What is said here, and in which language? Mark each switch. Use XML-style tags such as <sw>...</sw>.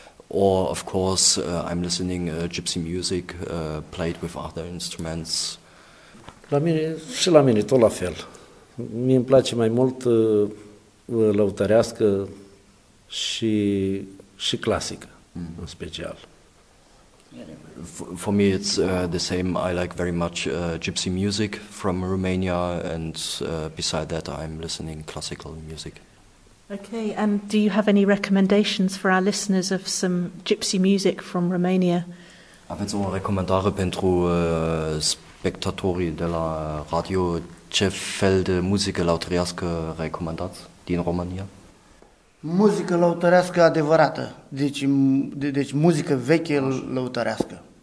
<en>Or, of course, I'm listening gypsy music played with other instruments.</en> <ro>La mine, și la mine, tot la fel. Mie îmi place mai mult lăutărească și clasică, mm-hmm. În special.</ro> <en>For me, it's the same. I like very much gypsy music from Romania, and beside that, I'm listening classical music. Okay, and do you have any recommendations for our listeners of some gypsy music from Romania?</en> <ro>Aveți o recomandare pentru spectatorii de la radio, ce fel de muzică lăutărească recomandați din România? Muzică lăutărească adevărată, deci muzică veche lăutărească.</ro>